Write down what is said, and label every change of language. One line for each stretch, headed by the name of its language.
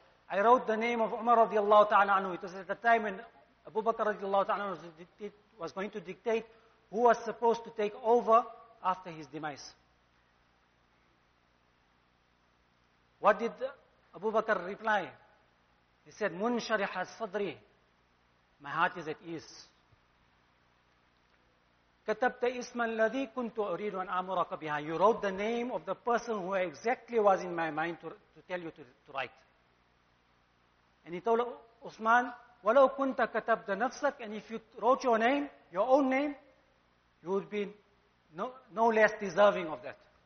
English: I wrote the name of Umar radiallahu ta'ala anhu. It was at the time when Abu Bakr radiallahu ta'ala anhu was going to dictate who was supposed to take over after his demise. What did Abu Bakr reply? He said,
Arabic: Munshariha sadri.
English: My heart is at ease.
Arabic: كَتَبْتَ إِسْمَ الَّذِي كُنْتُ أُرِيدُ أَنْ أَمُرَكَ بِهَا.
English: You wrote the name of the person who exactly was in my mind to tell you to write. And he told Uthman,
Arabic: وَلَوْ كُنْتَ كَتَبْتَ نَفْسَكَ.
English: And if you wrote your name, your own name, you would be no less deserving of that.